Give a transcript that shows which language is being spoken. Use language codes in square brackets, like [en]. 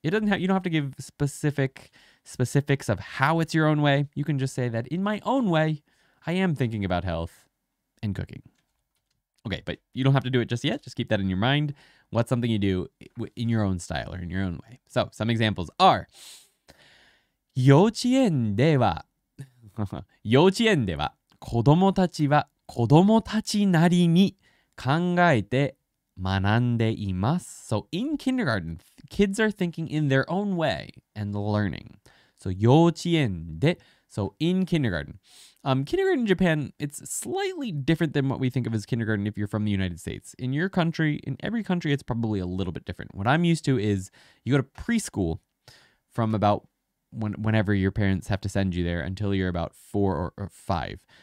[en] It doesn't have, you don't have to give specifics of how it's your own way. You can just say that in my own way, I am thinking about health and cooking. Okay, but you don't have to do it just yet. Just keep that in your mind. What's something you do in your own style or in your own way? So some examples are [ja] 幼稚園では子供たちは子供たちなりに考えて学んでいます。 [en] So in kindergarten, kids are thinking in their own way and learning. [ja] So 幼稚園で、 [en] so in kindergarten. Kindergarten in Japan, it's slightly different than what we think of as kindergarten if you're from the United States. In your country, in every country, it's probably a little bit different. What I'm used to is you go to preschool from about whenever your parents have to send you there until you're about four or five.